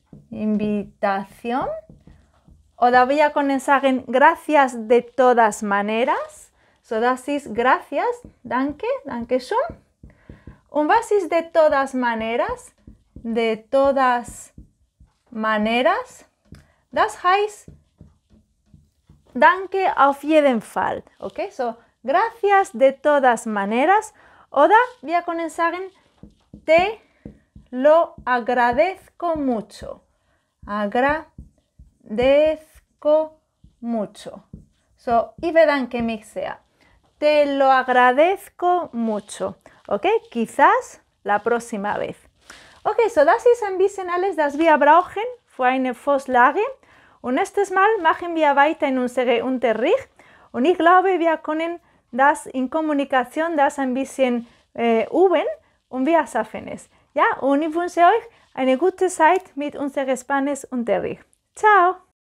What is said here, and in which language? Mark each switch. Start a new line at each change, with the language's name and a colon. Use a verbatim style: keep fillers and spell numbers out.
Spanish: Invitación.
German: Oder wir können sagen,
Spanish: gracias de todas maneras.
German: So, das ist gracias, danke, danke schön. Und was ist
Spanish: de todas maneras? De todas maneras.
German: Das heißt, danke auf jeden Fall.
Spanish: Okay, so, gracias de todas maneras.
German: Oder wir können sagen,
Spanish: te lo agradezco mucho. Agradezco mucho.
German: So, ich bedanke mich sehr.
Spanish: Te lo agradezco mucho. Okay, quizás la próxima vez.
German: Okay, so, das ist ein bisschen alles, das wir brauchen für eine Vorlage. Und nächstes Mal machen wir weiter in unserem Unterricht und ich glaube, wir können das in Kommunikation das ein bisschen äh, üben und wir schaffen es. Ja, und ich wünsche euch eine gute Zeit mit unserem Spanisch-Unterricht. Ciao!